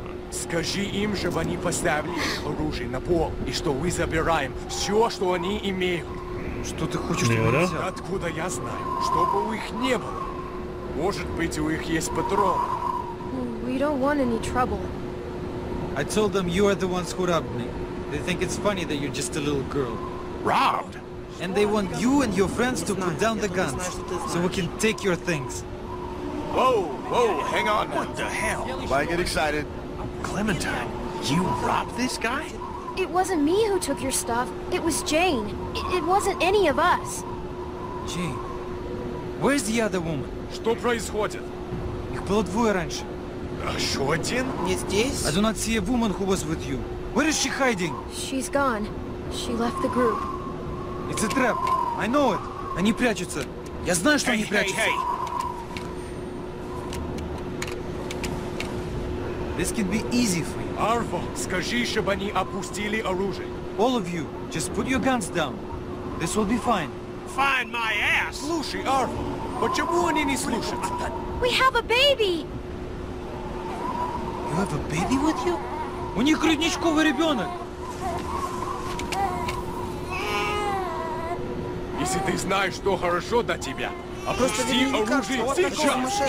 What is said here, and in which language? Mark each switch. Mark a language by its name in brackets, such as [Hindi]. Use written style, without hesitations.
[Russian] Скажи им, чтобы они поставили оружие на пол, и что мы забираем все, что они имеют. Что ты хочешь, чтобы они взяли? Откуда я знаю? Чтобы у них не было. Может быть, у них есть патрон. [English] We don't want any trouble. I told them you are the ones who robbed me. They think it's funny that you're just a little girl. Robbed? And they want you and your friends to put down the guns, so we can take your things. Whoa, hang on. What the hell? Why get excited? Clementine, you robbed this guy? It wasn't me who took your stuff. It was Jane. It wasn't any of us. Jane, where's the other woman? [Russian] Что происходит? Их было двое раньше. Еще один? Не здесь. [English] I do not see a woman who was with you. Where is she hiding? She's gone. She left the group. It's a trap. I know it. [Russian] Они прячутся. Я знаю, что они прячутся. [English] This could be easy for you. [Russian] Арво, скажи, чтобы они опустили оружие. [English] All of you, just put your guns down. This will be fine. Find my ass! [Russian] Слушай, Арво, почему они не слушают? [English] We have a baby! You have a baby with you? [Russian] У них грудничковый ребенок! Если ты знаешь, что хорошо для тебя, опусти оружие сейчас!